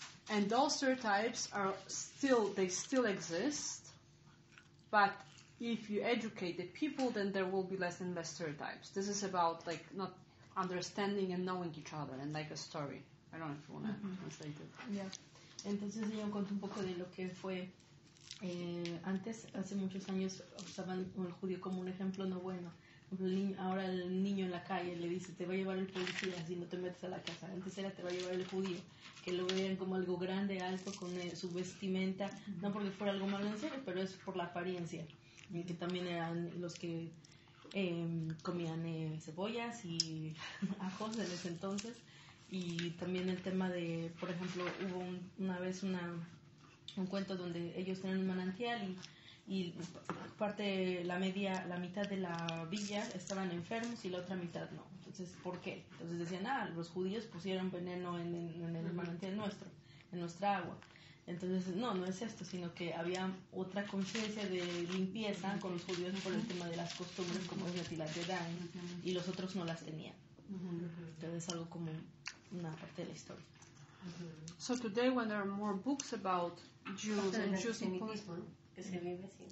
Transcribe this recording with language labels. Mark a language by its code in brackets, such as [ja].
[en] And those stereotypes are still, they still exist, but if you educate the people, then there will be less and less stereotypes. This is about like not understanding and knowing each other, and like a story. I don't know if you want to translate it. Yeah. [es] Entonces ella contó un poco de lo que fue antes, hace muchos años, usaban el judío como un ejemplo no bueno. Ahora el niño en la calle le dice, te va a llevar el policía si no te metes a la casa. Antes era, te va a llevar el judío, que lo veían como algo grande, alto, con su vestimenta, no porque fuera algo malo en serio, pero es por la apariencia. Y que también eran los que comían cebollas y ajos en ese entonces. Y también el tema de, por ejemplo, hubo una vez un cuento donde ellos tenían un manantial y parte, la mitad de la villa estaban enfermos y la otra mitad no. Entonces, ¿por qué? Entonces decían, los judíos pusieron veneno en el manantial nuestro, en nuestra agua. Entonces, no es esto, sino que había otra conciencia de limpieza con los judíos por el tema de las costumbres, como es la tila de Dan, y los otros no las tenían. Entonces es algo como una parte de la historia. [en] So today when there are more books about Jews and Jews in Poland,